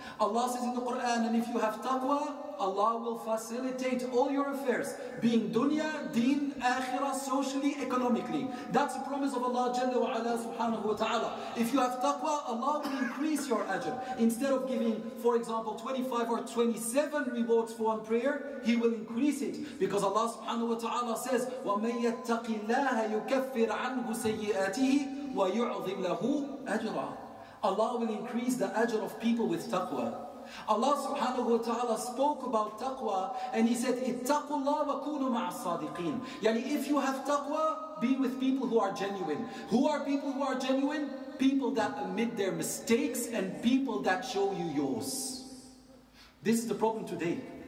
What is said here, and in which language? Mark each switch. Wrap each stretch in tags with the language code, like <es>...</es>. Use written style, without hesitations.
<en>Allah says in the Quran, and if you have taqwa, Allah will facilitate all your affairs, being dunya, deen, akhirah, socially, economically. That's a promise of Allah Jalla wa Ala subhanahu wa ta'ala. If you have taqwa, Allah will increase your ajr. Instead of giving, for example, 25 or 27 rewards for one prayer, He will increase it. Because Allah subhanahu wa ta'ala says,</en> <ar>وَمَنْ يَتَّقِ اللَّهَ يُكَفِّرْ عَنْهُ سَيِّئَتِهِ وَيُعْظِمْ لَهُ أَجْرًا.</ar> <en>Allah will increase the ajr of people with taqwa. Allah subhanahu wa ta'ala spoke about taqwa and He said,</en> <ar>اتَّقُوا اللَّهَ وَكُونُوا مَعَ الصَّادِقِينَ.</ar> <en>Yani, if you have taqwa, be with people who are genuine. Who are people who are genuine? People that admit their mistakes and people that show you yours. This is the problem today.</en>